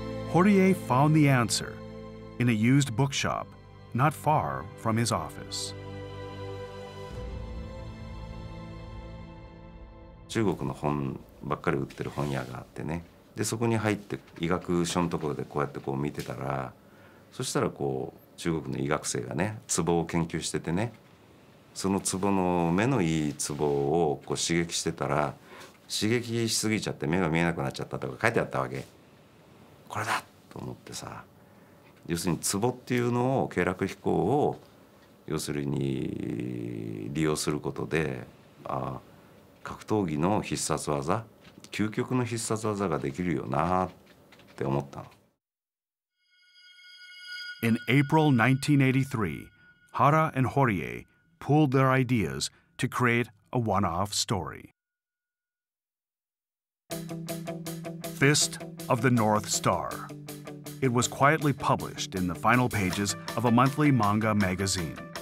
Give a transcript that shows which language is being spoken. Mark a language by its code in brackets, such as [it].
[en] Horie found the answer in a used bookshop not far from his office. [ja] 中国の本ばっかり売ってる本屋があってね。で、そこに入って医学書のところでこうやってこう見てたら、そしたらこう中国の医学生がね、ツボを研究しててね、そのツボの目のいいツボをこう刺激してたら、刺激しすぎちゃって目が見えなくなっちゃったとか書いてあったわけ。これだと思ってさ、要するにツボっていうのを経絡飛行を要するに利用することで、あ、格闘技の必殺技、究極の必殺技ができるよなって思ったの。 [en] In April 1983, Hara and Horie pooled their ideas to create a one-off story. Fist of the North Star. It was quietly published in the final pages of a monthly manga magazine.